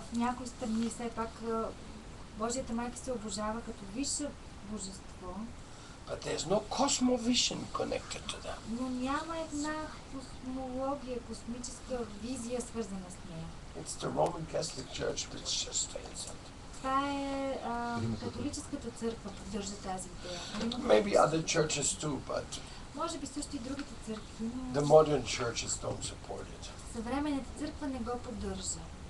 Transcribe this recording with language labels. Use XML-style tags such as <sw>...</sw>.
<bg>В някои страни все пак Божията майка се обожава като висше божество.</bg> <en>But there's no cosmovision connected to that.</en> <bg>Но няма една космология, космическа визия свързана с нея.</bg> <en>It's the Roman Catholic Church which sustains it.</en> <bg>Това е католическата църква поддържа тази идея.</bg> <en>Maybe other churches too, but</en> <bg>може би също и другите църкви, но</bg> <en>the modern churches don't support it.</en> <bg>Съвременната църква не го поддържа.</bg>